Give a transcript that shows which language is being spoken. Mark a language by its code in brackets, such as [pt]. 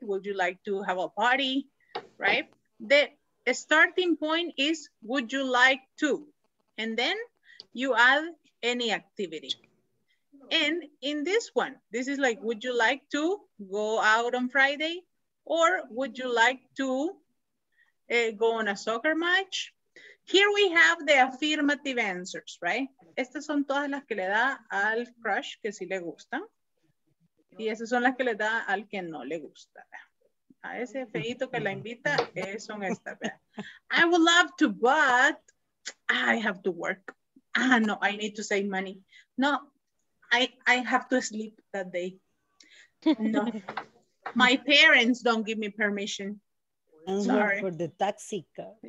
[en] Would you like to have a party? Right? The starting point is, would you like to? And then you add any activity. And in this one, this is like, would you like to go out on Friday? Or would you like to go on a soccer match? Here we have the affirmative answers, right? [es] Estas son todas las que le da al crush que sí le gustan. Y esas son las que le da al que no le gusta. A ese feito que la invita, son estas. [en] I would love to, but I have to work. Ah, no, I need to save money. No, I have to sleep that day. No, my parents don't give me permission. Sorry. For the taxi car.